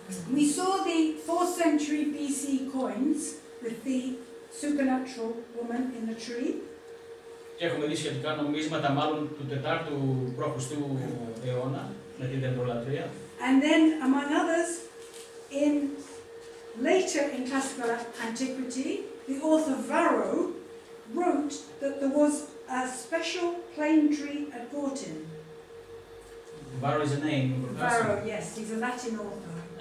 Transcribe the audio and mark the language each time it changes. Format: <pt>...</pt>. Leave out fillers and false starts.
<en>We saw the 4th century BC coins with the supernatural woman in the tree.</en> <el>Και έχουμε δει σχετικά νομίσματα μάλλον του 4ου π.Χ. αιώνα με την δεντρολατρεία.</el> <en>And then, among others, in later in classical antiquity, the author Varro wrote that there was a special plane tree at Goodison. Varro is a name. Varro, yes, he's a Latin author.</en>